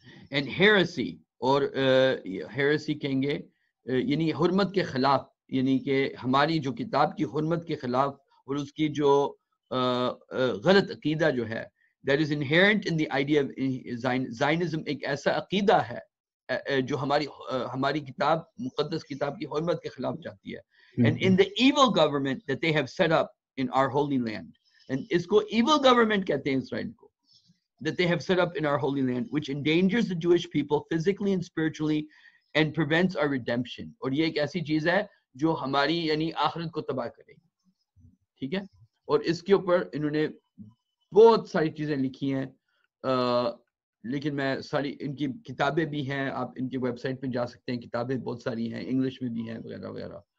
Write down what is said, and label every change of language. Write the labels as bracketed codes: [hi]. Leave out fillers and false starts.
[en] and heresy, [ur] اور ہیریسی کہیں گے یعنی حرمت کے خلاف, یعنی کہ ہماری جو کتاب کی حرمت کے خلاف اور اس کی جو غلط عقیدہ جو ہے, [en] that is inherent in the idea of Zionism, [ur] ایک ایسا عقیدہ ہے جو ہماری کتاب, مقدس کتاب کی حرمت کے خلاف جاتی ہے. [en] And in the evil government that they have set up in our holy land, and [ur] اس کو [en] evil government [ur] کہتے ہیں اسرائیل کو, [en] that they have set up in our holy land, which endangers the Jewish people physically and spiritually and prevents our redemption. [ur] اور یہ ایک ایسی چیز ہے جو ہماری یعنی آخرت کو تباہ کرے, ٹھیک ہے. اور اس کے اوپر انہوں نے بہت ساری چیزیں لکھی ہیں, لیکن میں ساری, ان کی کتابیں بھی ہیں, آپ ان کی ویب سائٹ پہ جا سکتے ہیں, کتابیں بہت ساری ہیں, انگلش میں بھی ہیں وغیرہ وغیرہ.